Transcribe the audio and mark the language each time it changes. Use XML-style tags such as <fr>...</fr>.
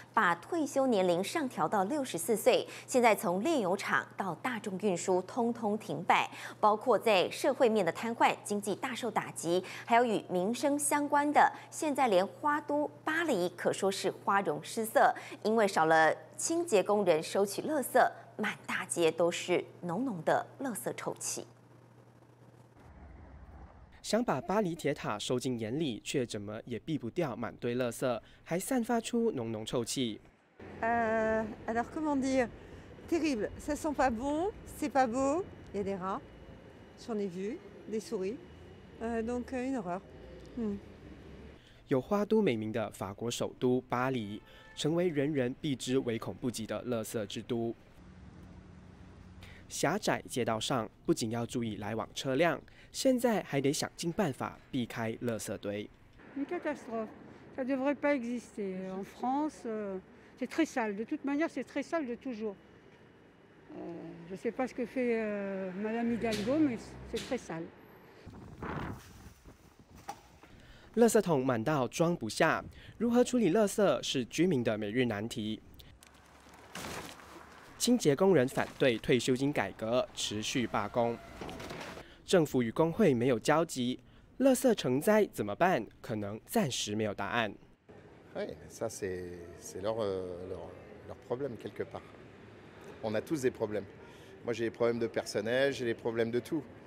<zh>把退休年龄上调到64岁，现在从炼油厂到大众运输通通停摆，包括在社会面的瘫痪，经济大受打击，还有与民生相关的，现在连花都巴黎可说是花容失色，因为少了清洁工人收取垃圾，满大街都是浓浓的垃圾臭气。想把巴黎铁塔收进眼里，却怎么也避不掉满堆垃圾，还散发出浓浓臭气。</zh> <fr>Alors comment dire, terrible, ça sent pas bon, c'est pas beau, il y a des rats, j'en ai vu, des souris, donc une horreur.</fr> <zh>有花都美名的法国首都巴黎，成为人人避之唯恐不及的垃圾之都。狭窄街道上不仅要注意来往车辆，现在还得想尽办法避开垃圾堆。</zh> <fr>Une catastrophe, ça devrait pas exister. En France, c'est très sale. De toute manière, c'est très sale de toujours. Je sais pas ce que fait Madame Hidalgo, mais c'est très sale.</fr> <zh>垃圾桶满到装不下，如何处理垃圾是居民的每日难题。清洁工人反对退休金改革，持续罢工。政府与工会没有交集，垃圾成灾怎么办？可能暂时没有答案。</zh> <fr>Oui, ça c'est leur problème quelque part. On a tous des problèmes. Moi j'ai des problèmes de personnel, j'ai des problèmes de tout.</fr>